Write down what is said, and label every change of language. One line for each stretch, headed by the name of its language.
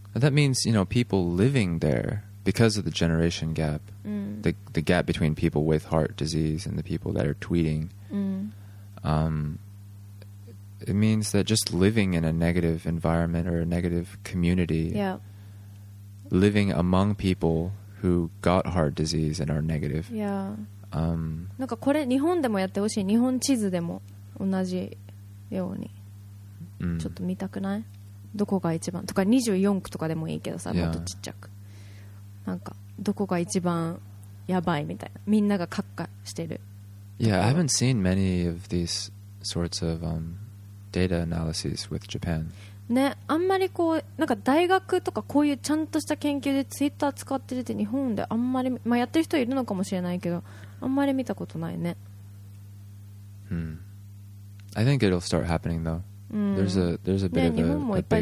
English: That means, you know, people living there, because of the generation gap,、the gap between people with heart disease and the people that are tweeting,、it means that just living in a negative environment or a negative community, living among people who got heart disease and are negative. Yeah.
Japanese: なんかこれ日本でもやってほしい。日本地図でも同じように。ちょっと見たくない？どこが一番？とか24区とかでもいいけどさ、もっとちっちゃく。なんかどこが一番やばいみたいな、みんながカッカしてる。
English: Yeah, I haven't seen many of these sorts of、data analyses with Japan.
Japanese: ね、あんまりこうなんか大学とかこういうちゃんとした研究でツイッター使ってるって日本であんまり、まあ、やってる人いるのかもしれないけど、あんまり見たことないね。
English: I think it'll start happening though. There's a bit、
Japanese: ね、
English: of a,
Japanese: 日本もいっぱい